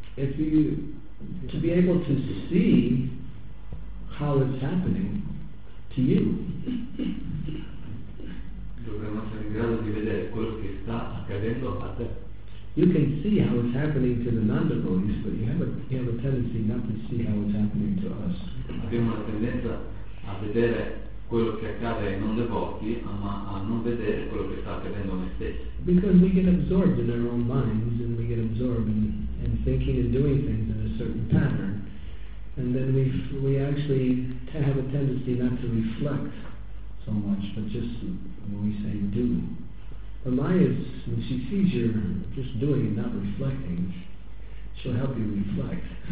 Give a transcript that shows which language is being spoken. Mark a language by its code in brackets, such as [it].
[en] If you, to be able to see how it's happening to you. [it] Dovremmo essere in grado di vedere quello che sta accadendo a te. [en] You can see how it's happening to the non-devotees, but you have a tendency not to see how it's happening to us. [it] Abbiamo la tendenza a vedere quello che accade ai non devoti, ma a non vedere quello che sta accadendo a noi stessi. [en] Because we get absorbed in our own minds, and we get absorbed in thinking and doing things in a certain pattern. And then we actually have a tendency not to reflect so much, but just when we say do. But Maya, when she sees you're just doing and not reflecting, she'll help you reflect.